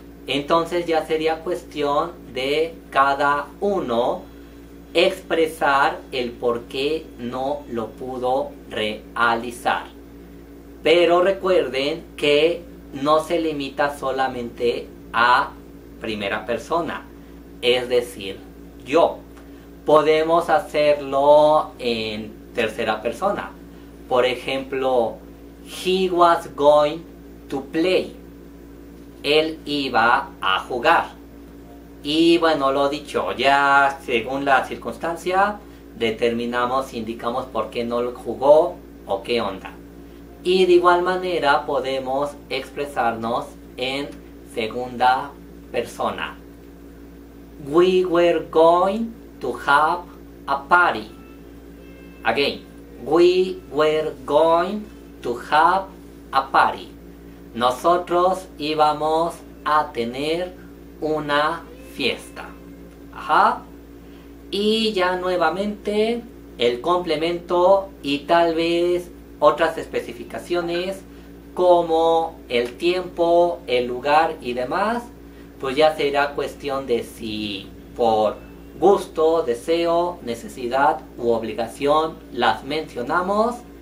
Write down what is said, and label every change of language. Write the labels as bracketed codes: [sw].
[es] Entonces ya sería cuestión de cada uno expresar el por qué no lo pudo realizar. Pero recuerden que no se limita solamente a primera persona, es decir, yo. Podemos hacerlo en tercera persona. Por ejemplo, [en] he was going to play. [es] Él iba a jugar. Y bueno, lo dicho, ya según la circunstancia, determinamos, indicamos por qué no jugó o qué onda. Y de igual manera podemos expresarnos en segunda persona. [en] We were going to have a party. Again, we were going to have a party. [es] Nosotros íbamos a tener una fiesta. Ajá. Y ya nuevamente el complemento y tal vez otras especificaciones como el tiempo, el lugar y demás, pues ya será cuestión de si por gusto, deseo, necesidad u obligación las mencionamos.